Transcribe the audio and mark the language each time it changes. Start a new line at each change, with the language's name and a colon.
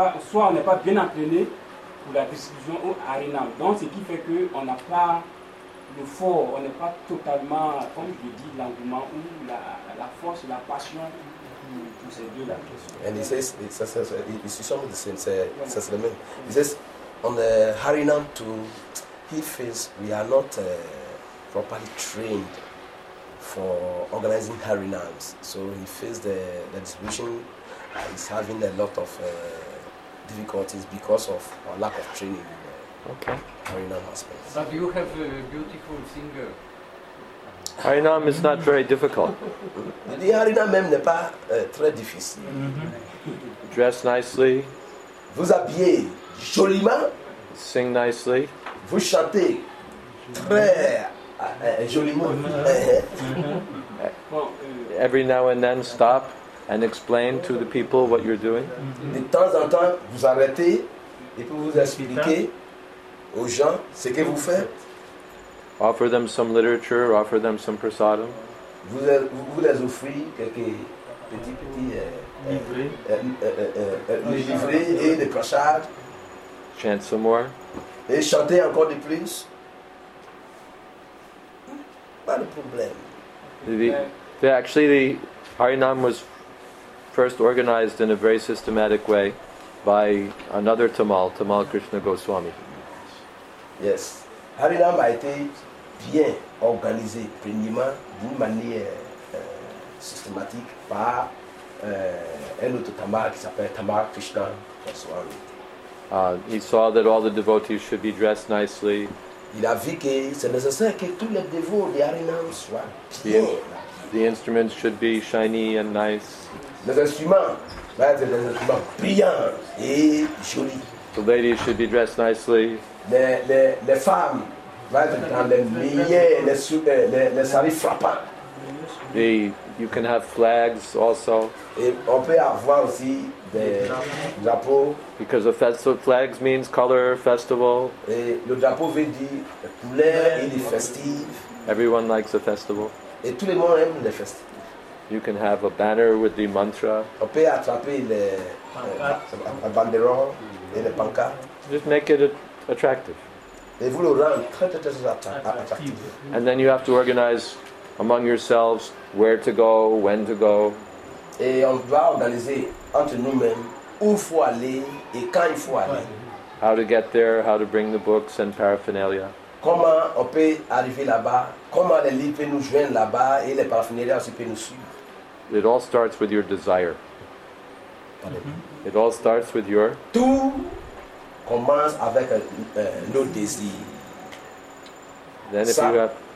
French: Soit on n'est pas bien entraîné pour la distribution au Arena. Donc ce qui fait qu'on n'a pas le fort, on n'est pas totalement, comme je dis, l'engouement ou la force, la passion pour ces deux-là.
English: And he says, it's some of the same,
French: c'est le même.
English: He says, on the Arena too, he feels we are not properly trained for organizing Harinams. So he feels the distribution is having a lot of difficulties because of our lack of training in the Harinam aspects. But you have a beautiful singer. Harinam is not very difficult.
French: Harinam même n'est pas très difficile.
English: Dress nicely.
French: Vous habillez joliment.
English: Sing nicely.
French: Vous chantez très joliment.
English: Every now and then stop and explain to the people what you're doing.
French: De temps en temps, vous arrêtez et puis vous expliquez aux gens ce que vous faites.
English: Offer them some literature, offer them some prasadam.
French: Vous les offrez quelques petits livrets et des prasadam.
English: Chant some more.
French: Et chantez encore de plus. Pas de problème.
English: The Harinam was first organized in a very systematic way by another Tamal, Tamal Krishna Goswami. Yes.
French: Harinam a été bien organisé premièrement d'une manière systématique par un autre Tamal qui s'appelle Tamal Krishna Goswami.
English: He saw that all the devotees should be dressed nicely.
French: Il a vu que c'est nécessaire que tous les devots de Harinam soient bien.
English: The instruments should be shiny and nice.
French: Les instruments, brillants et jolis.
English: The ladies should be dressed nicely.
French: Les femmes, les saris frappants.
English: You can have flags also.
French: Et on peut avoir aussi des drapeaux.
English: Because flags means color, festival.
French: Et le drapeau veut dire couleur et les festives.
English: Everyone likes a festival.
French: Et tout le monde aime les festivals.
English: You can have a banner with the mantra.
French: On peut attraper les banderoles et les pancartes.
English: Just make it attractive.
French: Et vous le rendez très attractif.
English: And then you have to organize among yourselves where to go, when to go.
French: Et on doit organiser entre nous-mêmes où il faut aller et quand il faut aller.
English: How to get there, how to bring the books and paraphernalia.
French: Comment on peut arriver là-bas? Comment les livres peuvent nous joindre là-bas et les paraphernalia aussi peuvent nous suivre?
English: It all starts with your desire. It all starts with your...
French: Tout commence avec nos désirs.
English: Then if ça, you have...